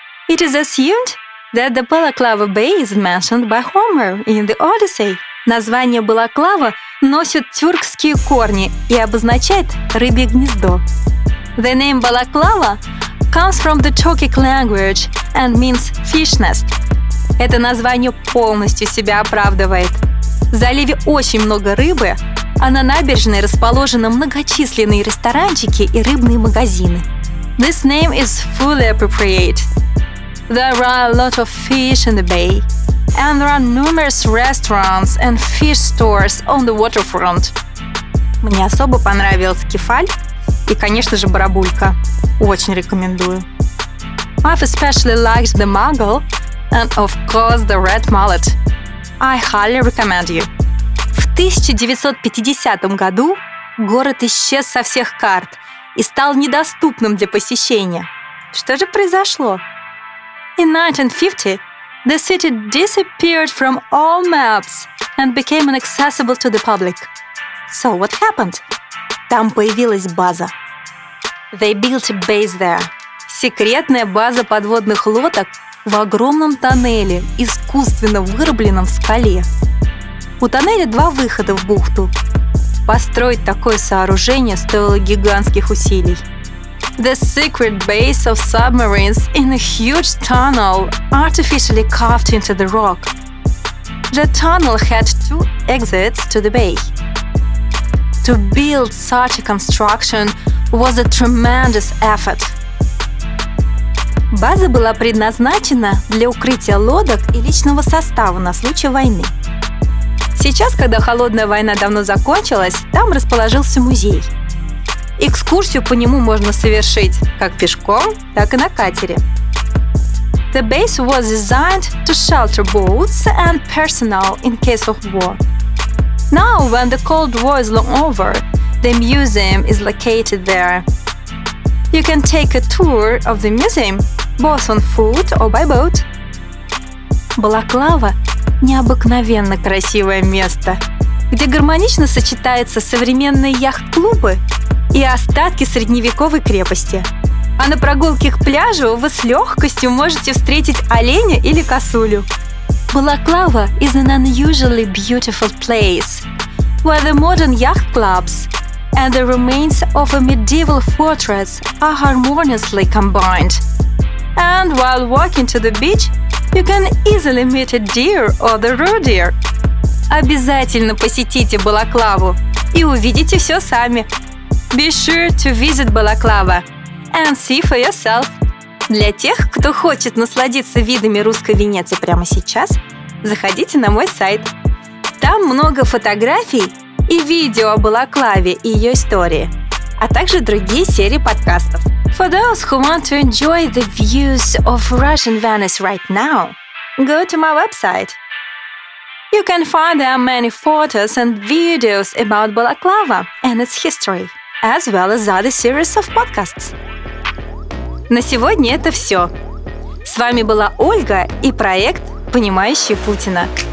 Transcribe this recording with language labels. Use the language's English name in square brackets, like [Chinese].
[English] It is assumed that the Balaklava Bay is mentioned by Homer in the Odyssey. [Russian] Название Балаклава носит тюркские корни и обозначает рыбье гнездо. [English] The name Balaklava comes from the Turkic language and means fish nest. [Russian] Это название полностью себя оправдывает. В заливе очень много рыбы, а на набережной расположены многочисленные ресторанчики и рыбные магазины. [English] This name is fully appropriate. There are a lot of fish in the bay, and there are numerous restaurants and fish stores on the waterfront. [Russian] Мне особо понравился кефаль и, конечно же, барабулька. Очень рекомендую. [English] I've especially liked the mangal and, of course, the red mullet. I highly recommend you. [Russian] В 1950 году город исчез со всех карт и стал недоступным для посещения. Что же произошло? [English] In 1950, the city disappeared from all maps and became inaccessible to the public. So what happened? [Russian] Там появилась база. [English] They built a base there. [Russian] Секретная база подводных лодок в огромном тоннеле, искусственно вырубленном в скале. У тоннеля два выхода в бухту. Построить такое сооружение стоило гигантских усилий. [English] The secret base of submarines in a huge tunnel, artificially carved into the rock. The tunnel had two exits to the bay. To build such a construction was a tremendous effort. [Russian] База была предназначена для укрытия лодок и личного состава на случай войны. Сейчас, когда холодная война давно закончилась, там расположился музей. Экскурсию по нему можно совершить как пешком, так и на катере. [English] The base was designed to shelter boats and personnel in case of war. Now, when the Cold War is long over, the museum is located there. You can take a tour of the museum, both on foot or by boat. [Russian] Балаклава – необыкновенно красивое место, где гармонично сочетаются современные яхт-клубы и остатки средневековой крепости. А на прогулке к пляжу вы с легкостью можете встретить оленя или косулю. [English] Балаклава is an unusually beautiful place, where the modern yacht clubs and the remains of a medieval fortress are harmoniously combined. And while walking to the beach, you can easily meet a deer or the roe deer. [Russian] Обязательно посетите Балаклаву и увидите все сами. [English] Be sure to visit Balaclava and see for yourself. [Russian] Для тех, кто хочет насладиться видами русской Венеции прямо сейчас, заходите на мой сайт. Там много фотографий и видео о Балаклаве и ее истории, а также другие серии подкастов. [English] For those who want to enjoy the views of Russian Venice right now, go to my website. You can find there many photos and videos about Balaclava and its history, as well as other series of podcasts. [Russian] На сегодня это все. С вами была Ольга и проект «Понимающий Путина».